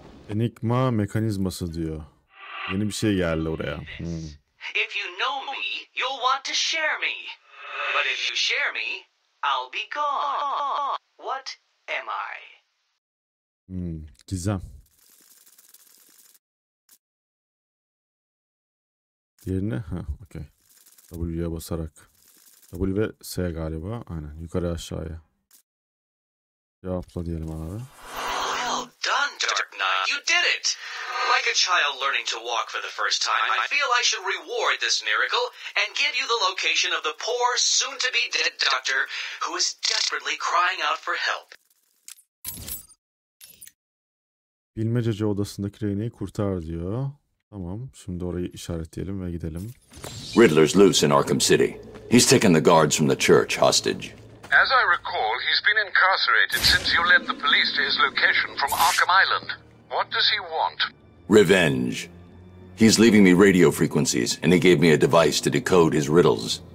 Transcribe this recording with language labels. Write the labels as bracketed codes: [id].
[tr] Enigma mekanizması diyor. Yeni bir şey geldi oraya. Hmm. [en] If you know me, you'll want to share me. But if you share me, I'll be gone. What am I? [tr] Gizem. Diğerine? Ha, okey. W'ye basarak. W ve S galiba. Aynen. Yukarı aşağıya. Cevapla diyelim abi. [en] Well done, Dark Knight. You did it. Like a child learning to walk for the first time, I feel I should reward this miracle and give you the location of the poor, soon-to-be-dead doctor who is desperately crying out for help. [tr] Bilmecece odasındaki Rene'yi kurtar diyor. Tamam, şimdi orayı işaretleyelim ve gidelim. [en] Riddler's loose in Arkham City. He's taken the guards from the church hostage. As I recall, he's been incarcerated since you led the police to his location from Arkham Island. What does he want? Revenge. He's leaving me radio frequencies, and he gave me a device to decode his riddles.